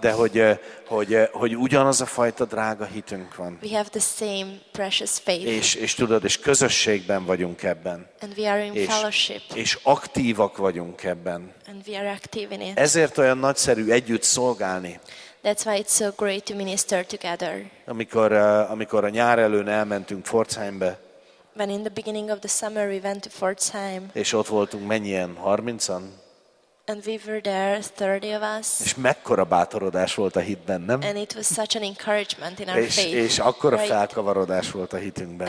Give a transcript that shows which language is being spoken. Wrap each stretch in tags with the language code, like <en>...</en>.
<hu>De hogy ugyanaz a fajta drága hitünk van.</hu> <en>We have the same precious faith.</en> <hu>És tudod, és közösségben vagyunk ebben.</hu> <en>And we are in fellowship.</en> <hu>És aktívak vagyunk ebben.</hu> <en>And we are active in it.</en> <hu>Ezért olyan nagyszerű együtt szolgálni.</hu> <en>That's why it's so great to minister together.</en> <hu>Amikor a nyár elején elmentünk Pforzheimbe.</hu> <en>When in the beginning of the summer we went to Pforzheim.</en> <hu>És ott voltunk mennyien, 30-an.</hu> <en>And we were there, 30 of us.</en> <hu>És mekkora bátorodás volt a hitben, nem?</hu> <en>And it was such an encouragement in our faith.</en> <hu>És akkora felkavarodás volt a hitünkben.</hu>